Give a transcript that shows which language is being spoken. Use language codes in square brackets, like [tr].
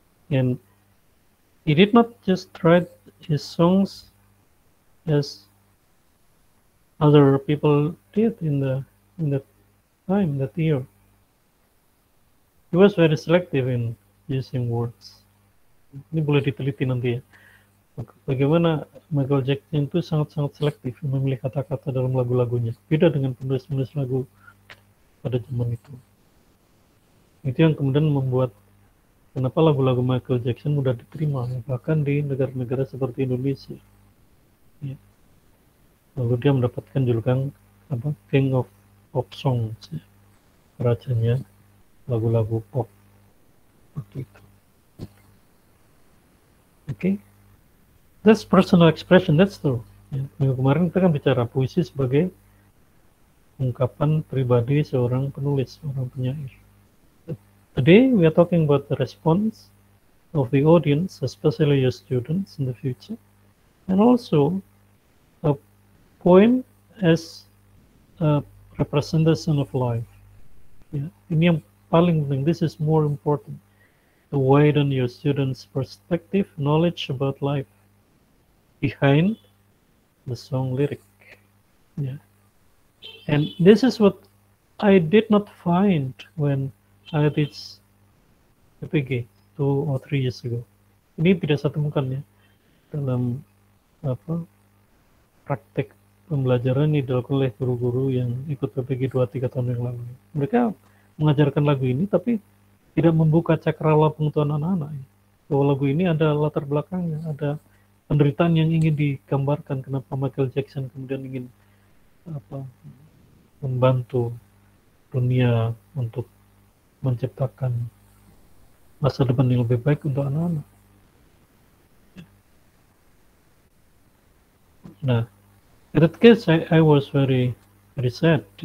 [en] And he did not just write his songs as other people did in the time, that year. He was very selective in using words. [id] Ini boleh diteliti nanti ya. Bagaimana Michael Jackson itu sangat-sangat selektif memilih kata-kata dalam lagu-lagunya. Beda dengan penulis-penulis lagu pada zaman itu. Itu yang kemudian membuat kenapa lagu-lagu Michael Jackson mudah diterima, bahkan di negara-negara seperti Indonesia. Ya. Lalu dia mendapatkan julukan apa? King of Pop Songs, ya. Rajanya lagu-lagu pop. Oke. [en] Okay. That's personal expression, that's true. Ya. [id] Minggu kemarin kita kan bicara puisi sebagai ungkapan pribadi seorang penulis, seorang penyair. [en] Today we are talking about the response of the audience, especially your students in the future, and also a poem as a representation of life. Yeah. [id] Ini yang paling penting, [en] this is more important, to widen your students' perspective, knowledge about life behind the song lyric. Yeah. And this is what I did not find when I teach PPG 2 or 3 years ago. [id] Ini tidak saya temukan ya dalam apa praktek pembelajaran ini dilakukan oleh guru-guru yang ikut PPG 2-3 tahun yang lalu. Mereka mengajarkan lagu ini tapi tidak membuka cakrawala pengetahuan anak-anak. Bahwa lagu ini ada latar belakangnya, ada penderitaan yang ingin digambarkan kenapa Michael Jackson kemudian ingin apa membantu dunia untuk menciptakan masa depan yang lebih baik untuk anak-anak. [en] Nah, in that case I was very, very sad.